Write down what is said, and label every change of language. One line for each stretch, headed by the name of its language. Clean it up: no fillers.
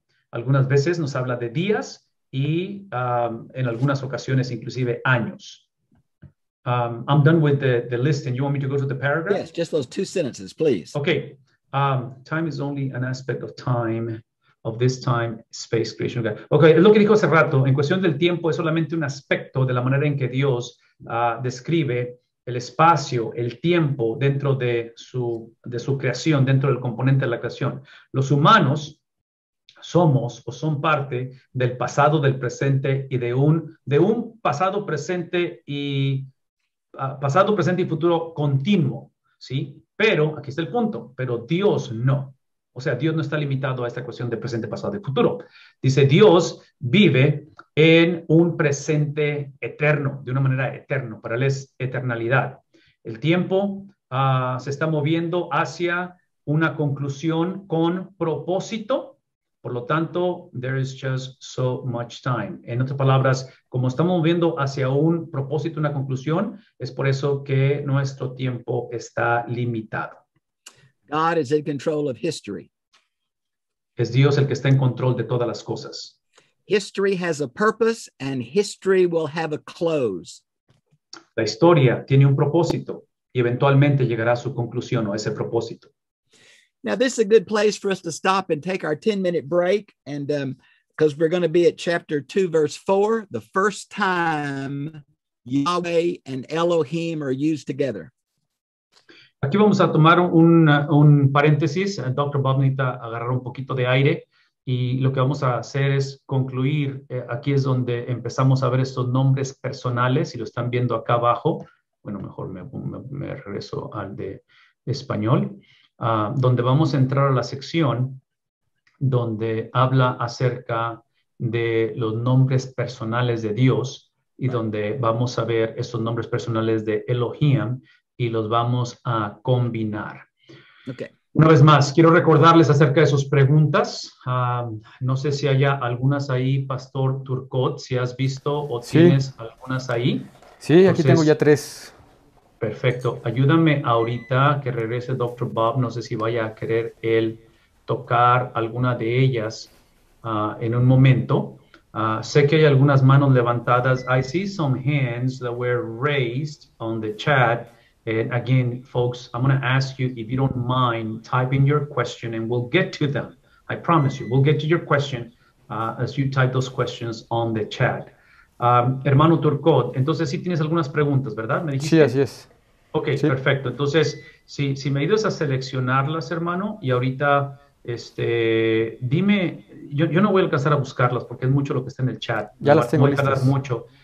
Spanish: Algunas veces nos habla de días y en algunas ocasiones inclusive años.
English: I'm done with the list, and you want me to go to the paragraph? Yes, just those two sentences, please. Okay. Time is only an aspect of time, of this time, space, creation.
Spanish: Okay, es lo que dijo hace rato. En cuestión del tiempo es solamente un aspecto de la manera en que Dios describe el espacio, el tiempo dentro de su creación, dentro del componente de la creación. Los humanos somos o son parte del pasado, del presente y de un pasado, presente y pasado, presente y futuro continuo, ¿sí? Pero aquí está el punto, pero Dios no. O sea, Dios no está limitado a esta cuestión de presente, pasado y futuro. Dice, Dios vive en un presente eterno, de una manera eterna, para él es eternalidad. El tiempo se está moviendo hacia una conclusión con propósito. Por lo tanto,
English: there is just so much time.
Spanish: En otras palabras, como estamos moviendo hacia un propósito, una conclusión, es por eso que nuestro tiempo está limitado.
English: God is in control of history.
Spanish: Es Dios el que está en control de todas las cosas.
English: History has a purpose and history will have a close.
Spanish: La historia tiene un propósito y eventualmente llegará a su conclusión o a ese propósito.
English: Now, this is a good place for us to stop and take our 10-minute break, and because we're going to be at chapter 2, verse 4, the first time Yahweh and Elohim are used together.
Spanish: Aquí vamos a tomar un paréntesis. Dr. Bob necesita agarrar un poquito de aire, y lo que vamos a hacer es concluir. Aquí es donde empezamos a ver estos nombres personales, si lo están viendo acá abajo. Bueno, mejor me regreso al de español. Donde vamos a entrar a la sección donde habla acerca de los nombres personales de Dios y donde vamos a ver estos nombres personales de Elohim y los vamos a combinar. Okay. Una vez más, quiero recordarles acerca de sus preguntas. No sé si haya algunas ahí, Pastor Turcot, si has visto o sí. Tienes algunas ahí. Sí, entonces, aquí tengo ya tres. Perfecto. Ayúdame ahorita que regrese Dr. Bob. No sé si vaya a querer él tocar alguna de ellas en un momento. Sé que hay algunas manos levantadas.
English: I see some hands that were raised on the chat. And again, folks, I'm going to ask you, if you don't mind, type in your question and we'll get to them. I promise you, we'll get to your question as you type those questions on the chat.
Spanish: Hermano Turcot, entonces sí tienes algunas preguntas, ¿verdad? ¿Me dijiste? Sí, así es. Ok, sí. Perfecto. Entonces, si me ayudas a seleccionarlas, hermano, y ahorita, dime, yo no voy a alcanzar a buscarlas porque es mucho lo que está en el chat. Ya no, las tengo listas. No voy a tardar mucho.